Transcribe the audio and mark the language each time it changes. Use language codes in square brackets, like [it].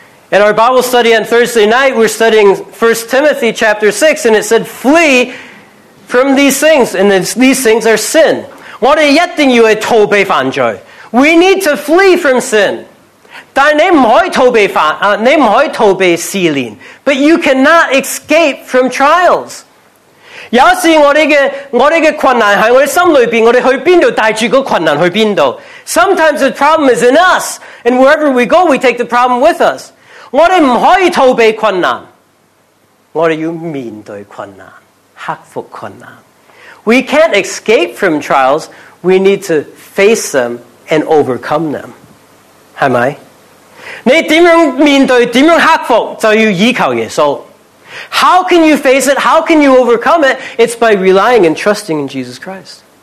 [en] In our Bible study on Thursday night, we're studying 1 Timothy chapter 6, and it said, flee from these things, and these things are sin. [yue] 我哋一定要去逃避犯罪。 [en] We need to flee from sin. [yue] 但你唔可以逃避试炼, [en] but you cannot escape from trials. [yue] 有时我哋嘅困难喺我哋心里边，我哋去边度带住个困难去边度。 [en] Sometimes the problem is in us, and wherever we go, we take the problem with us. [yue] 我哋唔可以逃避困难，我哋要面对困难，克服困难。We [en] can't escape from trials. We need to face them and overcome them. [yue] 系咪？你点样面对，点样克服，就要依靠耶稣。 [en] How can you face it? How can you overcome it? It's by relying and trusting in Jesus Christ.